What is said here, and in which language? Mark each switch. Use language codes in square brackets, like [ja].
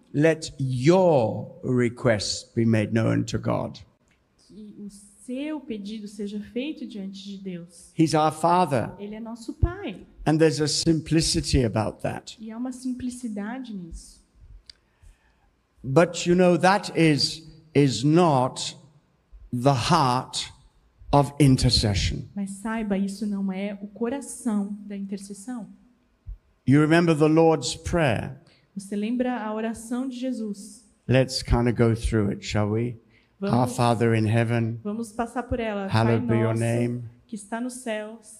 [en] Let your request be made known to God. [pt] Que o seu pedido seja feito diante de Deus. [en] He's our Father. [pt] Ele é nosso Pai. [en] And there's a simplicity about that. [pt] E há uma simplicidade nisso. [en] But you know that is not the heart of intercession. [pt] Mas saiba, isso não é o coração da intercessão. [en] You remember the Lord's Prayer? [pt] Você lembra a oração de Jesus? [en] Let's kind of go through it, shall we? Our Father in heaven. [pt] Vamos passar por ela. [en] Hallowed [pt] Pai nosso, [en] be your name. [pt] Que está nos céus.